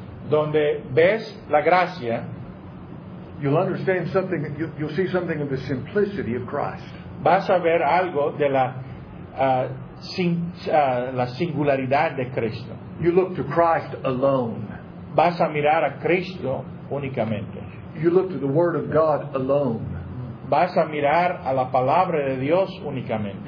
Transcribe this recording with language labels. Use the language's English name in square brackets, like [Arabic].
[Spanish] donde ves la gracia, [English] you'll understand something, you'll see something of the simplicity of Christ. [Spanish] Vas a ver algo de la singularidad de Cristo. [English] You look to Christ alone. [Spanish] Vas a mirar a Cristo únicamente. [English] You look to the Word of God alone. [Spanish] Vas a mirar a la palabra de Dios únicamente.